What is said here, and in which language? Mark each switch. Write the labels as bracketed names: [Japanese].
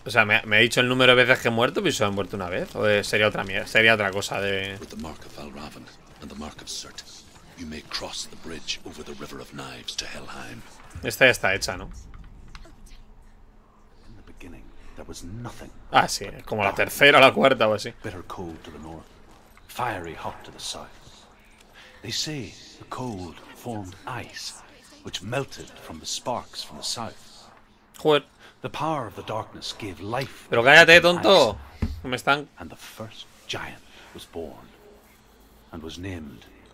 [Spanish] O sea, me ha dicho el número de veces que he muerto, pero solo he muerto una vez. O sería otra mierda. Sería otra cosa de. [English] With the mark of Valravn and the mark of Surt. You may cross the bridge over the River of Knives to Helheim. [Spanish] Esta ya está hecha, ¿no? [English] In the beginning, there was nothing. [Spanish] Ah, sí, como la tercera o la cuarta o así. [English] Bitter cold to the north, fiery hot to the south. They say the cold formed ice, which melted from the sparks from the south. [Spanish] Joder. [English] The power of the darkness gave life. [Spanish] Pero cállate, tonto. ¿Cómo están? [English] And the first giant was born and was named.